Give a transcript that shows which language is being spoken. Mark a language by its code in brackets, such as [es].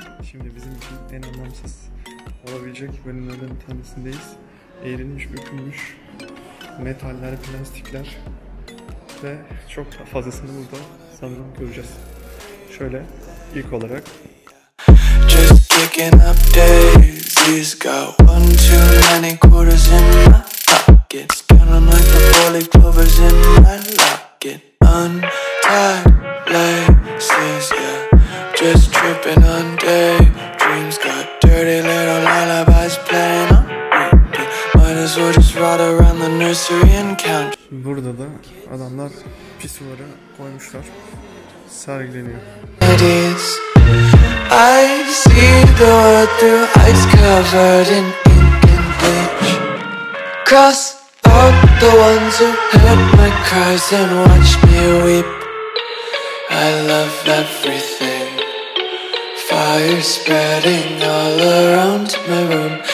[tr] Şimdi bizim için en anlamsız olabilecek bölümlerden bir tanesindeyiz. Eğrilmiş, bükülmüş metaller, plastikler ve çok fazlasını burada sanırım göreceğiz. Şöyle ilk olarak [en] just kicking up daisies, got one too many quarters in my pockets, counting like the holy clovers in my locket, untied laces, yeah, just tripping on daydreams, got dirty little lullabies playing on repeat, might as well just ride around the nursery and count. [tr] Burada da adamlar pis duvarı koymuşlar. Sergileniyor. [en] I see the world through ice covered in ink and bleach. Cross out the ones who heard my cries and watched me weep. I love everything. Fire spreading all around my room.